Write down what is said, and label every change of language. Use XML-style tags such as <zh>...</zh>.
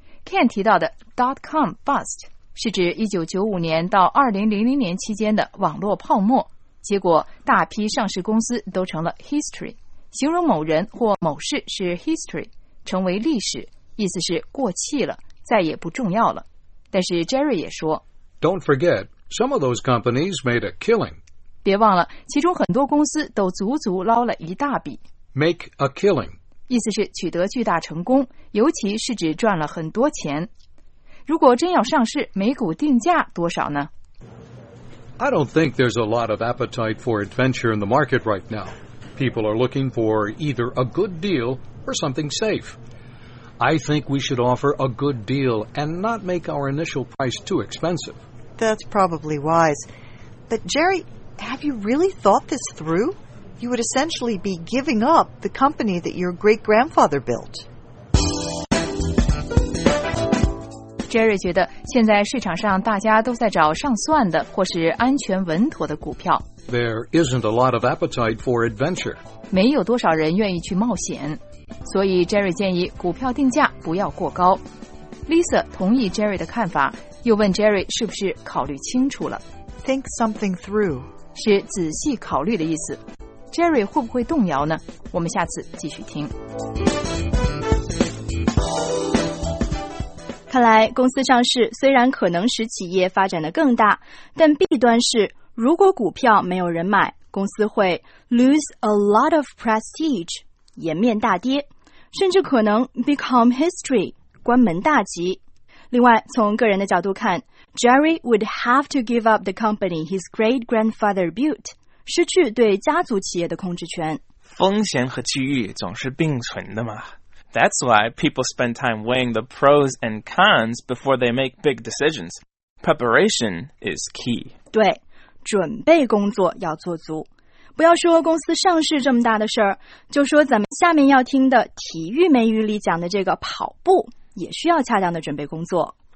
<zh>Ken 提到的 dot-com bust 是指1995年到2000年期间的网络泡沫，结果大批上市公司都成了 history， 形容某人或某事是 history， 成为历史，意思是过气了，再也不重要了。但是 Jerry 也说</zh> <en>Don't forget, some of those companies made a killing.</en> <zh>别忘了，其中很多公司都足足捞了一大笔。</zh> <en>Make a killing.</en> <zh>意思是取得巨大成功，尤其是指赚了很多钱。如果真要上市，每股定价多少呢？</zh> <en>I don't think there's a lot of appetite for adventure in the market right now. People are looking for either a good deal or something safe. I think we should offer a good deal and not make our initial price too expensive. That's probably wise. But Jerry, have you really thought this through? You would essentially be giving up the company that your great-grandfather built.</en> <zh>Jerry 觉得现在市场上大家都在找上算的或是安全稳妥的股票。</zh> <en>There isn't a lot of appetite for adventure.</en> <zh>没有多少人愿意去冒险。所以 Jerry 建议股票定价不要过高。Lisa 同意 Jerry 的看法，又问 Jerry 是不是考虑清楚了。</zh> <en>Think something through</en> <zh>是仔细考虑的意思。Jerry 会不会动摇呢？我们下次继续听。看来公司上市虽然可能使企业发展得更大，但弊端是如果股票没有人买，公司会</zh> <en>lose a lot of prestige，</en> <zh>颜面大跌，甚至可能</zh> <en>become history，</en> <zh>关门大吉。另外，从个人的角度看 ，</zh> <en>Jerry would have to give up the company his great grandfather built，</en> <zh>失去对家族企业的控制权。风险和机遇总是并存的嘛。</zh> <en>That's why people spend time weighing the pros and cons before they make big decisions. Preparation is key.</en> <zh>对，准备工作要做足。不要说公司上市这么大的事儿，就说咱们下面要听的体育美语里讲的这个跑步，也需要恰当的准备工作。</zh>